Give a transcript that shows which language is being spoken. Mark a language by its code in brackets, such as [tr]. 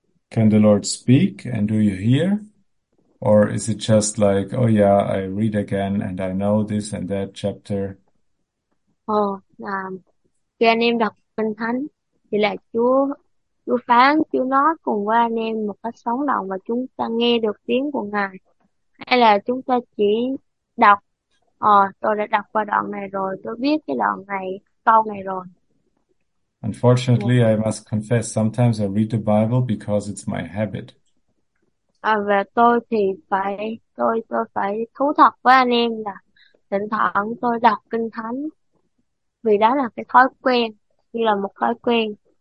[en] Can the Lord speak and do you hear? Or is it just like, oh yeah, I read again and I know this and that chapter? [vi] Khi anh em đọc Kinh Thánh thì là Chúa phán, Chúa nói cùng với anh em một cách sống động và chúng ta nghe được tiếng của Ngài. Hay là chúng ta chỉ đọc, tôi đã đọc qua đoạn này rồi, tôi biết cái đoạn này, câu này rồi. [en] Unfortunately, I must confess, sometimes I read the Bible because it's my habit. [vi] Và tôi phải thú thật với anh em là thỉnh thoảng tôi đọc Kinh Thánh vì đó là cái thói quen, như là một thói quen.